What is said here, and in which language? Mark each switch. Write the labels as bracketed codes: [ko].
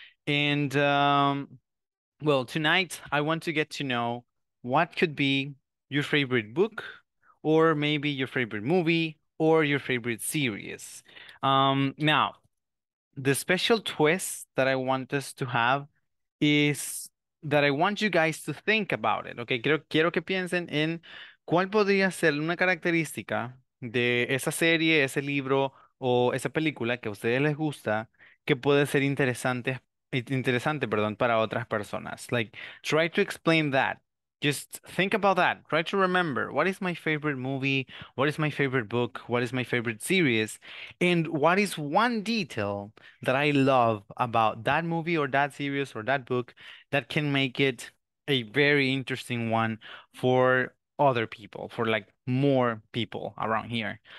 [en] And well, tonight I want to get to know what could be your favorite book, or maybe your favorite movie, or your favorite series. Now, the special twist that I want us to have is that I want you guys to think about it, okay? [es] Quiero que piensen en cuál podría ser una característica de esa serie, ese libro o esa película que a ustedes les gusta que puede ser interesante, perdón, para otras personas. [en] Like, try to explain that. Just think about that. Try to remember what is my favorite movie, what is my favorite book, what is my favorite series, and what is one detail that I love about that movie or that series or that book that can make it a very interesting one for other people, for like more people around here.